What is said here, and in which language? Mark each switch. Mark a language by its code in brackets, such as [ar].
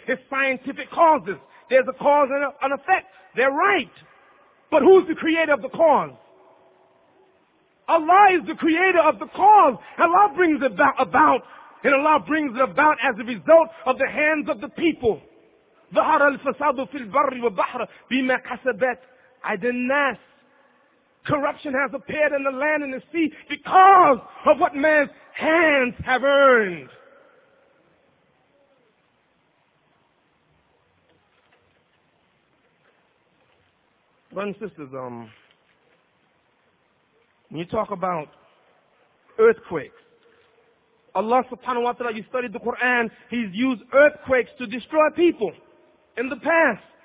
[en] It's scientific causes. There's a cause and an effect. They're right. But who's the creator of the cause? Allah is the creator of the cause. Allah brings it about. And Allah brings it about as a result of the hands of the people. [ar] ظهر الفساد في البر والبحر بما كسبت أيدي الناس. [en] Corruption has appeared in the land and the sea because of what man's hands have earned. Brothers and sisters, when you talk about earthquakes, Allah subhanahu wa ta'ala, you studied the Quran, He's used earthquakes to destroy people. In the past,